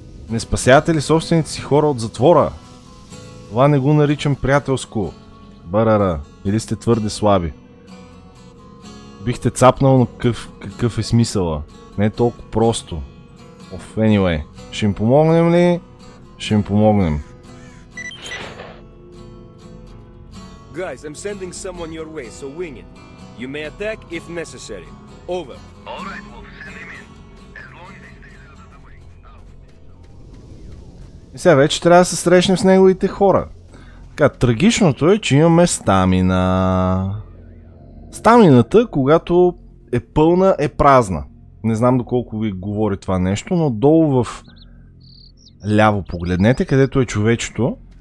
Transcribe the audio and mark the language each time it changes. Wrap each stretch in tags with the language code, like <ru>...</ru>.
<bg>Не спасявате ли собствените си хора от затвора? Това не го наричам приятелско. Барара, или сте твърде слаби? Бихте цапнал, но какъв е смисъла? Не е толкова просто.</bg> <en>Of anyway,</en> <bg>ще им помогнем ли? Ще им помогнем.</bg> <en>Guys, I'm sending someone your way, so wing it. You may attack if necessary. Over. Alright, we'll send him in. As long as he stays out of the way.</en> <bg>Сега вече трябва да се срещнем с неговите хора. Така, трагичното е, че имаме стамина. Стамината, когато е пълна, е празна. Не знам доколко ви говори това нещо, но долу в ляво погледнете, където е човечето.</bg>